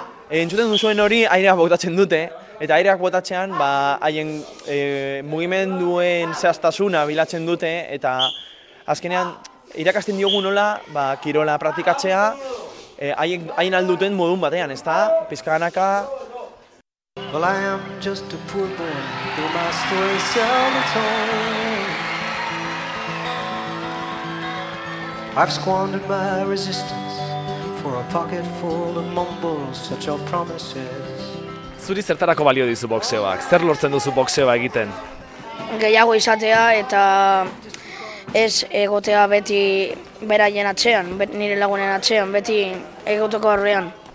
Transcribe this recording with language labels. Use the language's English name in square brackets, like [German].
[Basque] Entzuten duzuen hori aireak botatzen dute, eta aireak botatzean ba, haien mugimenduen zehaztasuna bilatzen dute, eta azkenean irakasten diogu nola ba, kirola praktikatzea haien alduten modun batean, ez da, pizkanaka. [English] Well, I am just a poor boy, though my story seldom told. I've squandered my resistance for a pocket full of mumbles, such are promises. [Basque] Zuri zertarako balio dizu boxeoak? Zer lortzen duzu boxeoa egiten? Gehiago izatea eta ez egotea beti beraien atzean, nire lagunen atzean, beti egoteko aurrean.